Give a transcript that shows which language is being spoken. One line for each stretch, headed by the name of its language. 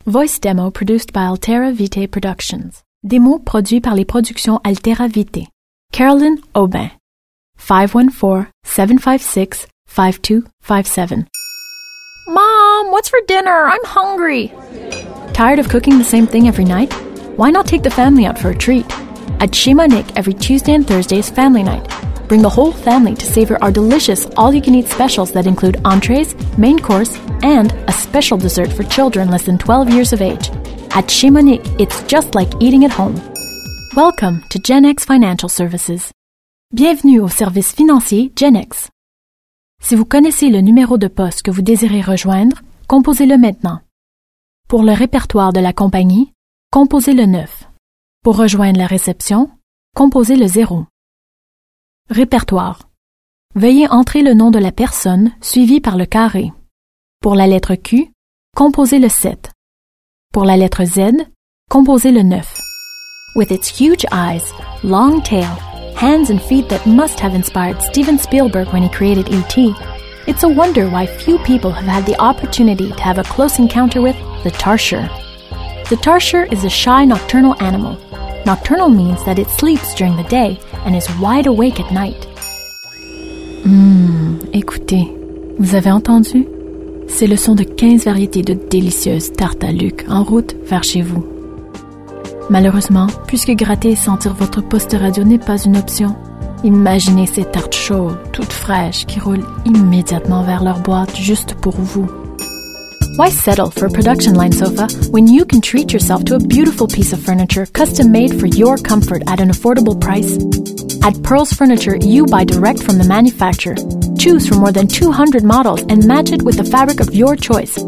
English: Voice demo produced by Altera Vitae Productions.
French: Démo produit par les productions Altera Vitae.
English: Carolyn Aubin. 514-756-5257. Mom, what's for dinner? I'm hungry. Tired of cooking the same thing every night? Why not take the family out for a treat? At Shima Nick, every Tuesday and Thursday is family night. Bring the whole family to savor our delicious all-you-can-eat specials that include entrees, main course, and a special dessert for children less than 12 years of age. At Shima Nick, it's just like eating at home. Welcome to Gen X Financial Services.
French: Bienvenue au service financier Gen X. Si vous connaissez le numéro de poste que vous désirez rejoindre, composez-le maintenant. Pour le répertoire de la compagnie, composez le 9. Pour rejoindre la réception, composez le 0. Répertoire. Veuillez entrer le nom de la personne suivi par le carré. Pour la lettre Q, composez le 7. Pour la lettre Z, composez le 9.
English: With its huge eyes, long tail, hands and feet that must have inspired Steven Spielberg when he created E.T., it's a wonder why few people have had the opportunity to have a close encounter with the tarsier. The tarsier is a shy nocturnal animal. Nocturnal means that it sleeps during the day and is wide awake at night.
French: Écoutez, vous avez entendu? C'est le son de 15 variétés de délicieuses tartes à Luc en route vers chez vous. Malheureusement, puisque gratter et sentir votre poste radio n'est pas une option, imaginez ces tartes chaudes, toutes fraîches, qui roulent immédiatement vers leur boîte juste pour vous.
English: Why settle for a production line sofa when you can treat yourself to a beautiful piece of furniture custom made for your comfort at an affordable price? At Pearls Furniture, you buy direct from the manufacturer. Choose from more than 200 models and match it with the fabric of your choice.